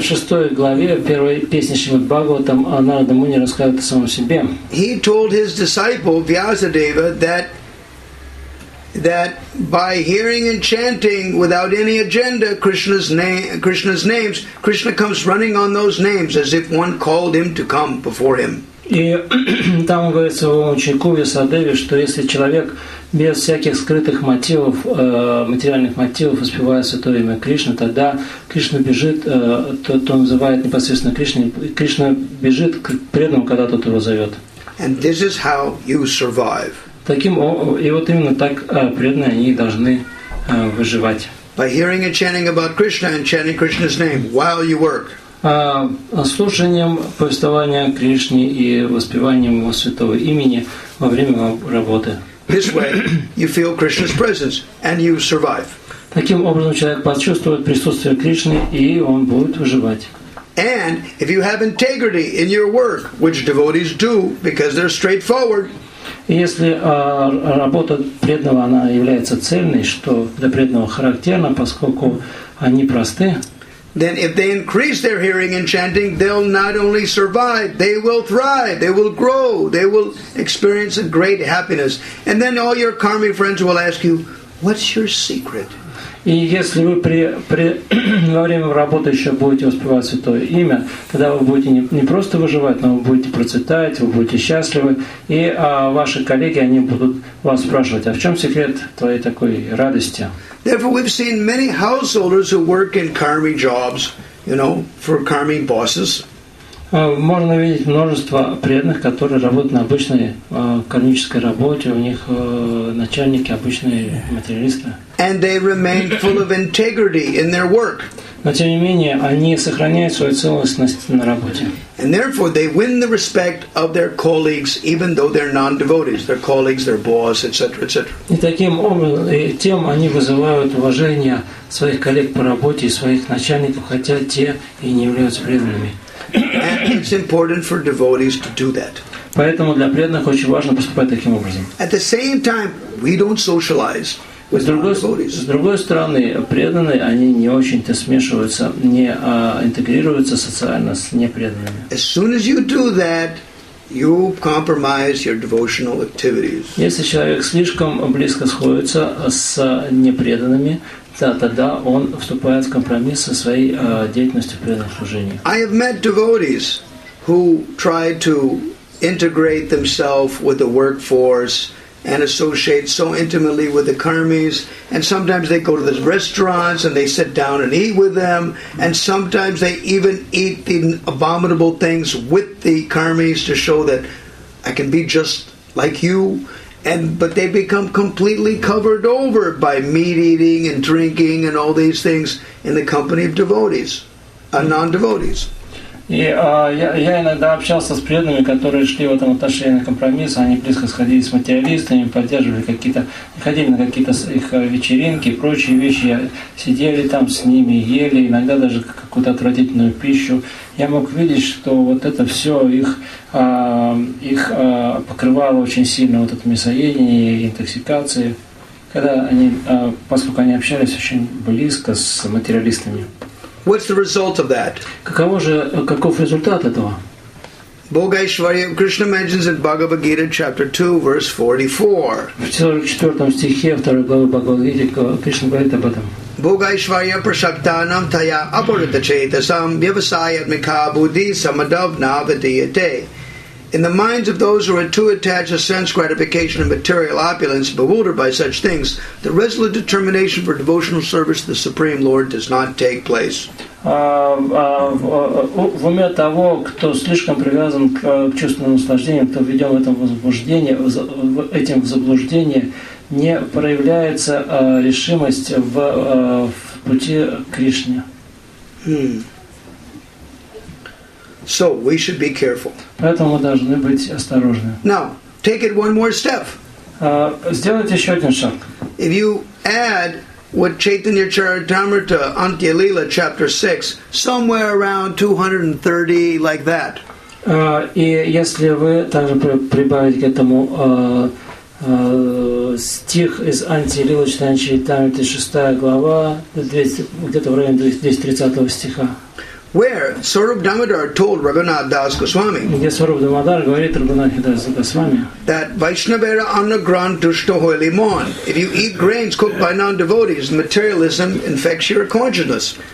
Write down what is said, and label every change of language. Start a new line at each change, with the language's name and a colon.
Russian: В 6 главе первой песни Шримад Бхагаватам Нарада Муни рассказывает о самом себе.
English: He told his disciple Vyasadeva that by hearing and chanting without any agenda Krishna's names, Krishna comes running on those names as if one called him to come before him.
Russian: И там он говорит своему ученику Вьясадеве, что если человек без всяких скрытых мотивов, материальных мотивов воспевает святое имя Кришны, тогда Кришна бежит, то называет непосредственно Кришне, и Кришна бежит к преданному, когда тот его зовет.
English: And this is how you survive.
Russian: Таким, и вот именно так преданные они должны выживать.
English: By hearing and chanting about Krishna and chanting Krishna's name while you work.
Russian: Слушанием повествования Кришны и воспеванием Его святого имени во время работы.
English: This way you feel Krishna's presence and you survive.
Russian: Таким образом, человек почувствует присутствие Кришны, и он будет выживать.
English: And if you have integrity in your work, which devotees do because they're straightforward,
Russian: если работа преданного она является цельной, что для преданного характерно, поскольку они просты,
English: then if they increase their hearing and chanting, they'll not only survive, they will thrive, they will grow, they will experience a great happiness. And then all your karmic friends will ask you, what's your secret?
Russian: И если вы во время работы еще будете воспевать Святое Имя, тогда вы будете не просто выживать, но вы будете процветать, вы будете счастливы, и ваши коллеги, они будут вас спрашивать, а в чем секрет твоей такой радости?
English: Therefore, we've seen many householders who work in karmic jobs, you know, for karmic bosses.
Russian: Можно видеть множество преданных, которые работают на обычной кармической работе, у них начальники обычные материалисты.
English: And they remain full of integrity in their work.
Russian: Но тем не менее, они сохраняют свою целостность на работе.
English: And therefore, they win the respect of their colleagues, even though they're non-devotees, their colleagues, their boss, etc., etc.
Russian: И таким образом, и тем они вызывают уважение своих коллег по работе и своих начальников, хотя те и не являются преданными.
English: And it's important for devotees to do that.
Russian: Поэтому для преданных очень важно поступать таким образом.
English: At the same time, we don't socialize with non-devotees.
Russian: С другой стороны, преданные, они не очень-то смешиваются, не интегрируются социально с непреданными.
English: As soon as you do that, you compromise your devotional activities.
Russian: Если человек слишком близко сходится с непреданными, да, тогда он вступает в компромисс со своей деятельностью преданного служения.
English: I have met devotees who tried to integrate themselves with the workforce and associate so intimately with the karmis, and sometimes they go to the restaurants and they sit down and eat with them, and sometimes they even eat the abominable things with the karmis to show that I can be just like you. But they become completely covered over by meat eating and drinking and all these things in the company of devotees, non-devotees.
Russian: Я иногда общался с преданными, которые шли в этом отношении на компромисс. Они близко сходились с материалистами, поддерживали какие-то, ходили на какие-то их вечеринки, прочие вещи. Сидели там с ними, ели, иногда даже какую-то отвратительную пищу. Я мог видеть, что вот это все их покрывало очень сильно, вот это мясоедение, интоксикации, когда они, поскольку они общались очень близко с материалистами.
English: What's the result of that?
Russian: Каков результат этого?
English: Bhogaishwarya Krishna mentions in Bhagavad Gita chapter 2, verse 44.
Russian: В 44 стихе 2 главы Бхагавад Гиты Кришна говорит об этом.
Sanskrit: Bhogaishwarya prasaktanam taya aparita chetasam vyavasayatmika buddhi samadav navadiyate.
English: In the minds of those who are too attached to sense gratification and material opulence, bewildered by such things, the resolute determination for devotional service to the Supreme Lord does not take place.
Russian: В уме того, кто слишком привязан к чувственным наслаждениям, кто введен в этом возбуждение, в этим заблуждение, не проявляется решимость в пути Кришне.
English: So we should be careful.
Russian: Поэтому мы должны быть осторожны.
English: Now, take it one more step.
Russian: Сделайте еще один шаг.
English: If you add what Chaitanya Charitamrita Antya Lila chapter 6, somewhere around 230, like that.
Russian: И если вы также прибавите к этому стих из Антья Лилы, читаем Чайтамриты, 6 глава, где-то в районе 230 стиха.
English: Where Sarup Damodar told Raghunath Das Goswami that
Bangla: Vaishnavera Anagran Dushto Hoyli Mon,
English: if you eat grains cooked by non-devotees, materialism infects your consciousness.